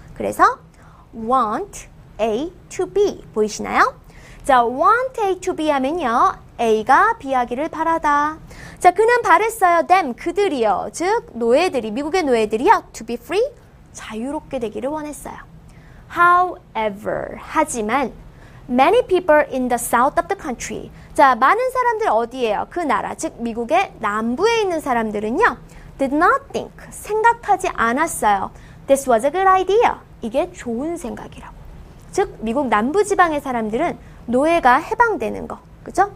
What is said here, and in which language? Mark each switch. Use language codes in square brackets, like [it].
[ko] 그래서 want A to B 보이시나요? 자, want A to B 하면요. A가 B하기를 바라다. 자, 그는 바랬어요. them, 그들이요. 즉, 노예들이, 미국의 노예들이요. [en] to be free. [ko] 자유롭게 되기를 원했어요. [en] However, [ko] 하지만 [en] many people in the south of the country. [ko] 자, 많은 사람들 어디예요? 그 나라, 즉 미국의 남부에 있는 사람들은요. [en] did not think, [ko] 생각하지 않았어요. [en] This was a good idea. [ko] 이게 좋은 생각이라고. 즉 미국 남부 지방의 사람들은 노예가 해방되는 거, 그죠?